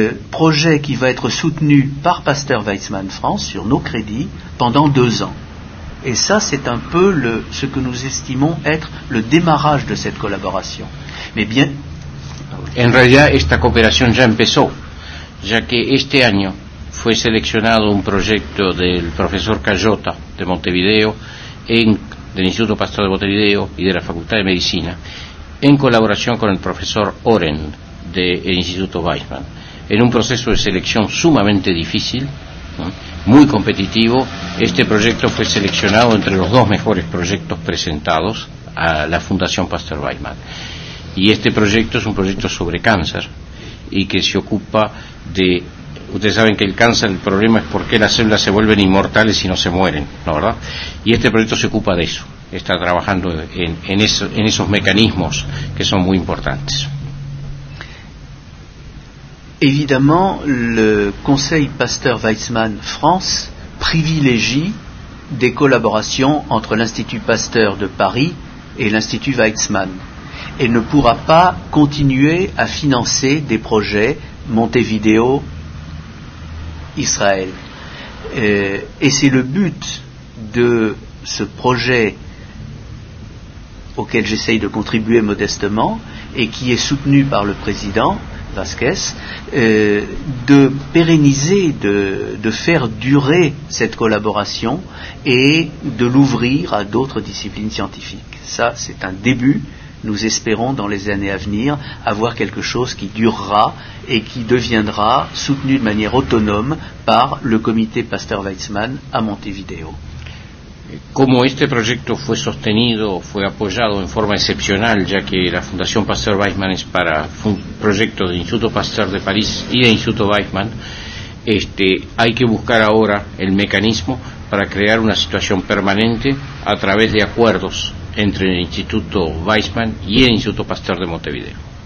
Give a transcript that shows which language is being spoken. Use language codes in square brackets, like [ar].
[fr] Projet qui va être soutenu par Pasteur Weizmann France sur nos crédits pendant 2 ans. Et ça, c'est un peu ce que nous estimons être le démarrage de cette collaboration. Mais bien... [es] En realidad, esta cooperación ya empezó, ya que este año fue seleccionado un proyecto del profesor Cayota de Montevideo, del Instituto Pasteur de Montevideo y de la Facultad de Medicina, en colaboración con el profesor Oren del Instituto Weizmann, en un proceso de selección sumamente difícil, muy competitivo. Este proyecto fue seleccionado entre los 2 mejores proyectos presentados a la Fundación Pasteur Weizmann, y este proyecto es un proyecto sobre cáncer y que se ocupa de... Ustedes saben que el cáncer, el problema es por qué las células se vuelven inmortales y no se mueren, ¿no verdad? Y este proyecto se ocupa de eso, está trabajando en esos mecanismos que son muy importantes. [fr] Évidemment, le Conseil Pasteur Weizmann France privilégie des collaborations entre l'Institut Pasteur de Paris et l'Institut Weizmann et ne pourra pas continuer à financer des projets Montevideo Israël. Et c'est le but de ce projet auquel j'essaye de contribuer modestement et qui est soutenu par le président Vasquez, de pérenniser, de faire durer cette collaboration et de l'ouvrir à d'autres disciplines scientifiques. Ça, c'est un début. Nous espérons, dans les années à venir, avoir quelque chose qui durera et qui deviendra soutenu de manière autonome par le comité Pasteur Weizmann à Montevideo. [es] Como este proyecto fue sostenido, fue apoyado en forma excepcional, ya que la Fundación Pasteur Weizmann es para un proyecto del Instituto Pasteur de París y del Instituto Weizmann, hay que buscar ahora el mecanismo para crear una situación permanente a través de acuerdos entre el Instituto Weizmann y el Instituto Pasteur de Montevideo.